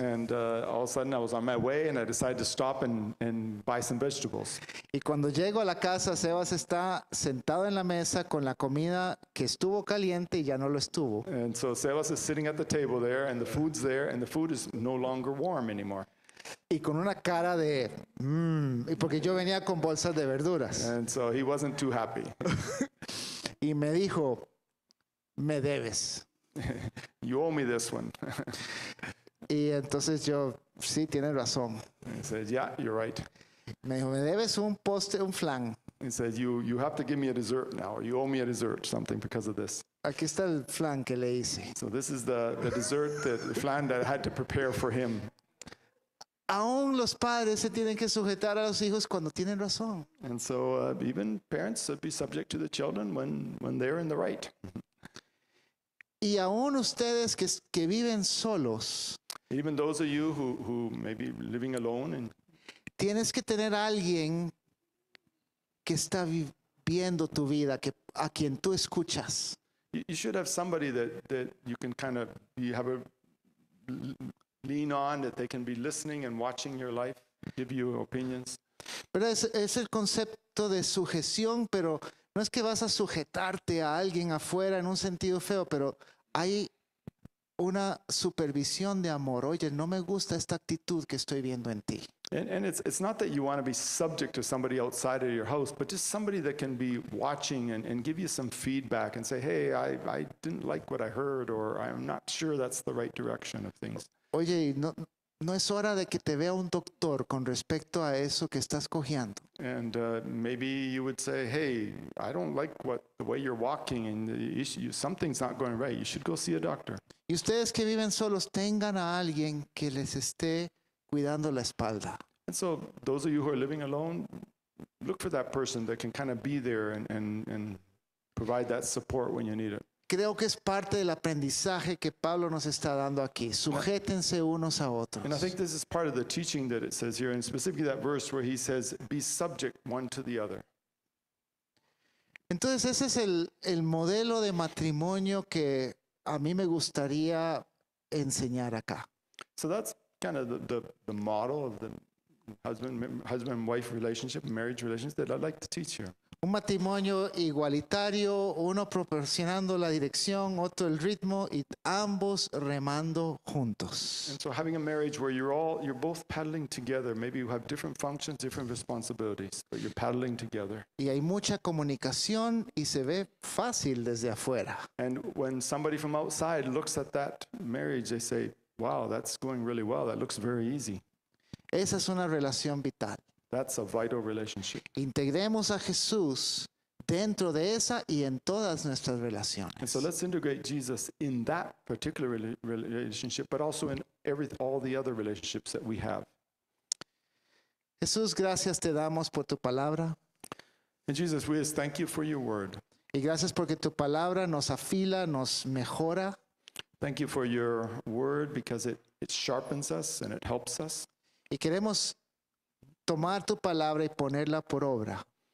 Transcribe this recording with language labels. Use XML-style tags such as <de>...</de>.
<en>And all of a sudden I was on my way and I decided to stop and buy some vegetables.</en> <es>Y cuando llego a la casa, Sebas está sentado en la mesa con la comida que estuvo caliente y ya no lo estuvo.</es> <en>And so Sebas is sitting at the table there and the food's there and the food is no longer warm anymore.</en> <es>Y con una cara de porque yo venía con bolsas de verduras.</es> <en>And so he wasn't too happy.</en> <es>Y me dijo, me debes.</es> <en>You owe me this one.</en> <es>Y entonces yo, sí, tienes razón.</es> <en>He said, yeah, you're right.</en> <es>Me dijo, me debes un postre, un flan.</es> <en>He said, you have to give me a dessert now, or you owe me a dessert, something because of this.</en> <es>Aquí está el flan que le hice.</es> <en>So this is the dessert, the flan that I had to prepare for him.</en> <es>Aún los padres se tienen que sujetar a los hijos cuando tienen razón.</es> <en>And so even parents should be subject to the children when they're in the right.</en> <es>Y aún ustedes que viven solos,</es> <en>even those of you who may be living alone, and</en> <es>tienes que tener alguien que está viviendo tu vida, que a quien tú escuchas.</es> <en>You should have somebody that you can kind of have a lean on, that they can be listening and watching your life, give you opinions.</en> <es>Pero es el concepto de sujeción, pero no es que vas a sujetarte a alguien afuera en un sentido feo, pero hay una supervisión de amor. Oye, no me gusta esta actitud que estoy viendo en ti.</es> <en>And it's not that you want to be subject to somebody outside of your house, but just somebody that can be watching and give you some feedback and say, hey, I didn't like what I heard, or I'm not sure that's the right direction of things.</en> <es>Oye, no es hora de que te vea un doctor con respecto a eso que estás cojeando.</es> <en>And maybe you would say, hey, I don't like the way you're walking and something's not going right. You should go see a doctor.</en> <es>Y ustedes que viven solos, tengan a alguien que les esté cuidando la espalda.</es> <en>And so those of you who are living alone, look for that person that can kind of be there and provide that support when you need it.</en> <es>Creo que es parte del aprendizaje que Pablo nos está dando aquí. Sujétense unos a otros.</es> <en>And I think this is part of the teaching that it says here, and specifically that verse where he says, be subject one to the other.</en> <es>Entonces ese es el modelo de matrimonio que a mí me gustaría enseñar acá.</es> <en>So that's kind of the model of the husband-wife relationship, marriage relationship that I'd like to teach here.</en> <es>Un matrimonio igualitario, uno proporcionando la dirección, otro el ritmo, y ambos remando juntos.</es> <en>And so having a marriage where you're both paddling together, maybe you have different functions, different responsibilities, but you're paddling together.</en> <es>Y hay mucha comunicación y se ve fácil desde afuera.</es> <en>And when somebody from outside looks at that marriage, they say, wow, that's going really well, that looks very easy.</en> <es>Esa es una relación vital.</es> <en>That's a vital relationship.</en> <es>Integremos a Jesús dentro de esa y en todas nuestras relaciones.</es> <en>And so let's integrate Jesus in that particular relationship, but also in all the other relationships that we have.</en> <es>Jesús, gracias te damos por tu palabra.</es> <en>And Jesus, we just thank you for your word.</en> <es>Y gracias porque tu palabra nos afila, nos mejora.</es> <en>Thank you for your word because it sharpens us and it helps us.</en> <es>Y queremos tomar tu palabra y ponerla por obra.</es>